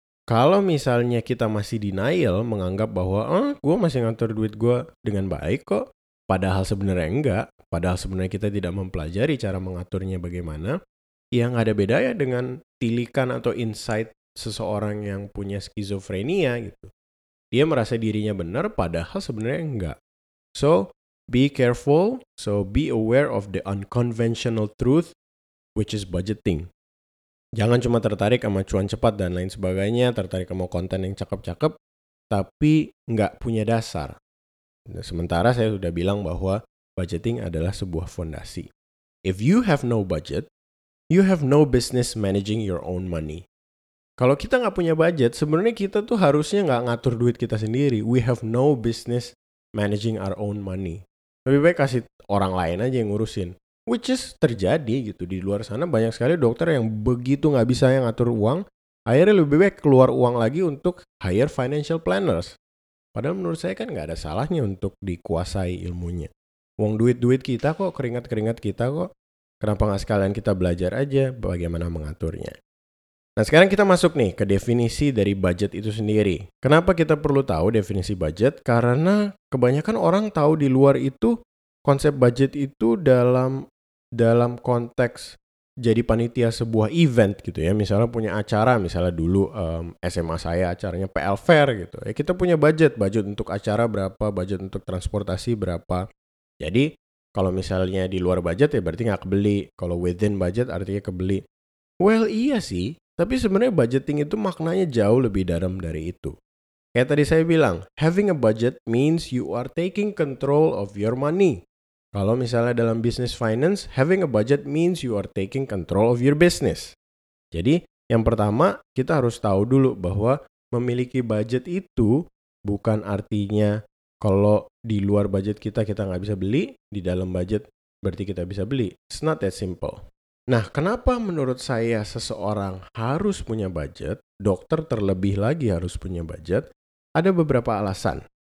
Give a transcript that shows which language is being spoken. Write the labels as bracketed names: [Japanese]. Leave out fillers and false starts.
[Indonesian] Kalau misalnya kita masih denial, menganggap bahwa, gue masih ngatur duit gue dengan baik kok, padahal sebenarnya enggak, padahal sebenarnya kita tidak mempelajari cara mengaturnya bagaimana, yang ada bedanya dengan tilikan atau insight seseorang yang punya skizofrenia gitu. Dia merasa dirinya benar, padahal sebenarnya enggak. [English] So, be careful, so be aware of the unconventional truth, which is budgeting. [Indonesian] Jangan cuma tertarik sama cuan cepat dan lain sebagainya, tertarik sama konten yang cakep-cakep, tapi enggak punya dasar. Sementara saya sudah bilang bahwa budgeting adalah sebuah fondasi. [English] If you have no budget, you have no business managing your own money. [Indonesian] Kalau kita nggak punya budget, sebenarnya kita tuh harusnya nggak ngatur duit kita sendiri. [English] We have no business managing our own money. [Indonesian] Lebih baik kasih orang lain aja yang ngurusin. [English] Which is [Indonesian] terjadi gitu. Di luar sana banyak sekali dokter yang begitu nggak bisa yang ngatur uang, akhirnya lebih baik keluar uang lagi untuk [English] hire financial planners. [Indonesian] Padahal menurut saya kan nggak ada salahnya untuk dikuasai ilmunya. Uang duit-duit kita kok, keringat-keringat kita kok, kenapa nggak sekalian kita belajar aja bagaimana mengaturnya. Nah sekarang kita masuk nih ke definisi dari budget itu sendiri. Kenapa kita perlu tahu definisi budget? Karena kebanyakan orang tahu di luar itu konsep budget itu dalam konteks jadi panitia sebuah event gitu ya. Misalnya punya acara, misalnya dulu SMA saya acaranya PL Fair gitu. Ya kita punya budget, budget untuk acara berapa, budget untuk transportasi berapa. Jadi kalau misalnya di luar budget ya berarti nggak kebeli. Kalau [English] within budget [Indonesian] artinya kebeli. Well iya sih, tapi sebenarnya budgeting itu maknanya jauh lebih dalam dari itu. Kayak tadi saya bilang, [English] having a budget means you are taking control of your money. [Indonesian] Kalau misalnya dalam [English] business finance, having a budget means you are taking control of your business. [Indonesian] Jadi, yang pertama, kita harus tahu dulu bahwa memiliki budget itu bukan artinya kalau di luar budget kita nggak bisa beli, di dalam budget berarti kita bisa beli. [English] It's not that simple. [Indonesian] Nah, kenapa menurut saya seseorang harus punya budget, dokter terlebih lagi harus punya budget, ada beberapa alasan.